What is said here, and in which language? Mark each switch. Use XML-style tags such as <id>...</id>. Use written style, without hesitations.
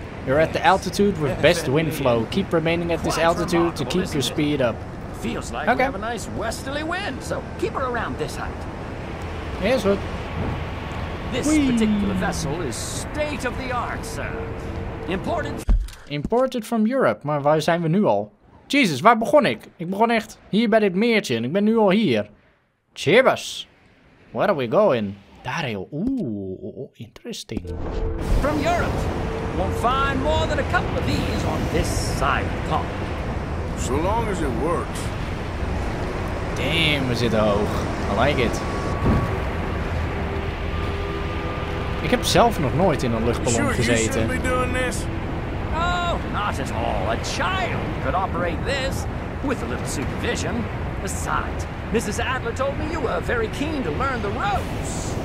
<en>You're at the altitude with best wind flow. Keep remaining at this altitude to keep your speed up. Feels like we have a nice westerly wind, so keep her around this height. Yes, what? This particular vessel is state of the art, sir. Imported from Europe,</en> <nl>maar waar zijn we nu al? Jesus, waar begon ik? Ik begon echt hier bij dit meertje en ik ben nu al hier.</nl> <en>Chibas, where are we going?</en> <nl>Daar heel,</nl> <en>interesting. From Europe, we'll find more than a couple of these on this side of the pond. So long as it works. Damn,</en> <nl>we zitten hoog.</nl> <en>I like it.</en> <nl>Ik heb zelf nog nooit in een luchtballon gezeten.</nl> <en>You shouldn't be doing this. Oh, not at all. A child could operate this with a little supervision. Besides, Mrs. Adler told me you were very keen to learn the ropes.</en>